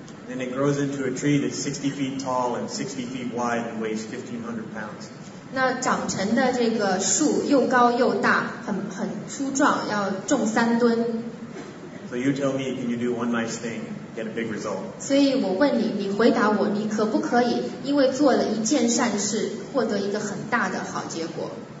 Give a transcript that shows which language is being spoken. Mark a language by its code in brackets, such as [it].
[en] Then it grows into a tree that's 60 feet tall and 60 feet wide and weighs 1,500 pounds. [zh] 那长成的这个树又高又大，很粗壮，要重三吨。 [en] So you tell me, can you do one nice thing, get a big result? [zh] 所以我问你，你回答我，你可不可以因为做了一件善事，获得一个很大的好结果？